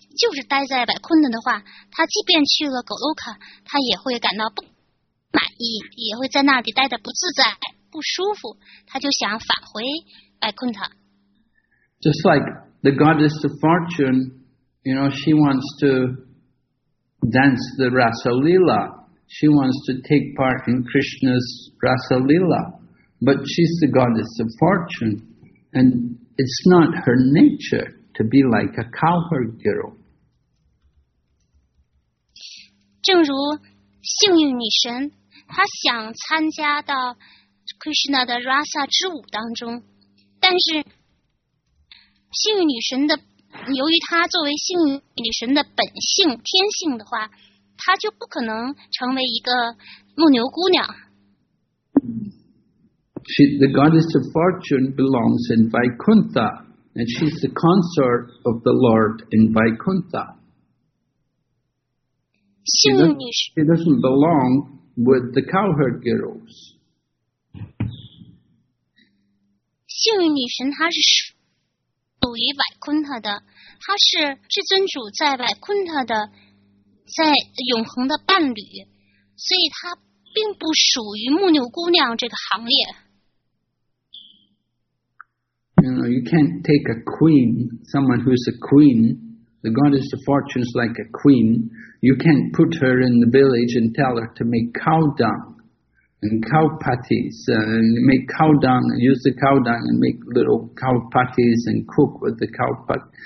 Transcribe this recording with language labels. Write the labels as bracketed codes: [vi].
[zh] 就是待在百昆的话，他即便去了狗洛卡，他也会感到不满意，也会在那里待得不自在、不舒服，他就想返回百昆特。 [en] Just like the goddess of fortune, you know, she wants to dance the Rasa Lila. She wants to take part in Krishna's Rasa Lila. But she's the goddess of fortune, and it's not her nature to be like a cowherd girl. [zh] 正如幸运女神，她想参加到 Krishna 的 Rasa 之舞当中，但是幸运女神的，由于她作为幸运女神的本性天性的话，她就不可能成为一个牧牛姑娘。 [en] She, the goddess of fortune belongs in Vaikuntha, and she's the consort of the Lord in Vaikuntha. She doesn't belong with the cowherd girls. [zh] 幸运女神她是属于百昆特的，她是至尊主在百昆特的，在永恒的伴侣，所以她并不属于牧牛姑娘这个行列。 [en] You know, you can't take a queen, someone who's a queen, the goddess of fortune is like a queen, you can't put her in the village and tell her to make cow dung and cow patties, and make cow dung, and use the cow dung and make little cow patties and cook with the cow pat.